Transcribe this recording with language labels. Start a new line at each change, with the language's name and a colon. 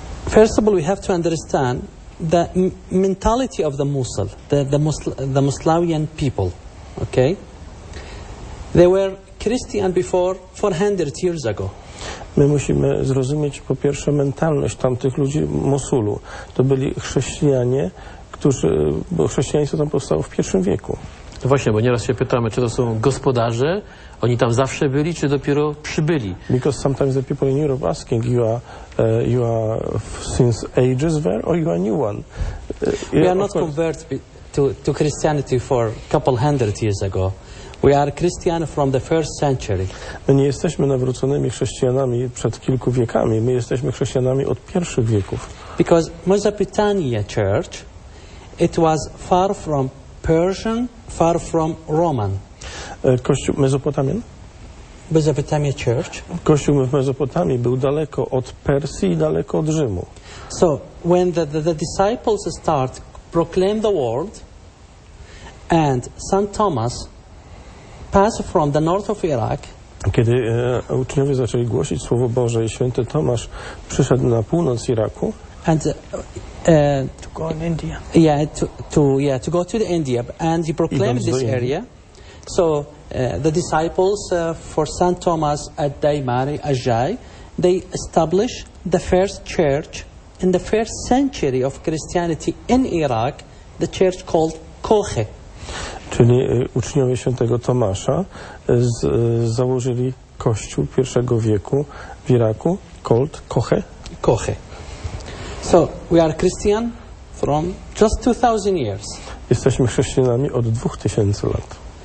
English: First of all, we have to understand the mentality of the Mosul, the Muslimian people, okay? They were Christian before 400 years ago.
Polish: My musimy zrozumieć po pierwsze mentalność tamtych ludzi Mosulu. To byli chrześcijanie, bo chrześcijaństwo tam powstało w pierwszym wieku. No właśnie, bo nieraz się pytamy, czy to są gospodarze, oni tam zawsze byli, czy dopiero przybyli?
English: Because sometimes the people in Europe asking, you are since ages there, or you are new one? We are not converted to Christianity for a couple hundred years ago. We are Christian from the first century.
Polish: My nie jesteśmy nawróconymi chrześcijanami przed kilku wiekami. My jesteśmy chrześcijanami od pierwszych wieków.
English: Because Mesopotamia church, it was far from Persian, far from Roman.
Polish: Kościół Mezopotamian?
English: Mesopotamia church.
Polish: Kościół w Mezopotamii był daleko od Persji i daleko od Rzymu.
English: So when the disciples start proclaim the word, and St. Thomas pass from the north of Iraq.
Polish: Kiedy uczniowie zaczęli głosić słowo Boże i święty Tomasz przyszedł na północ Iraku.
English: And to go in India. Yeah, to go to the India and he proclaimed this area. So the disciples for St. Thomas at Daimari Ajay, they establish the first church in the first century of Christianity in Iraq, the church called Kohe.
Polish: Czyli uczniowie świętego Tomasza założyli kościół pierwszego wieku w Iraku,
English: called Kohe. Kohe. So we are Christian from just 2000 years.
Polish: Jesteśmy chrześcijanami od 2000 lat.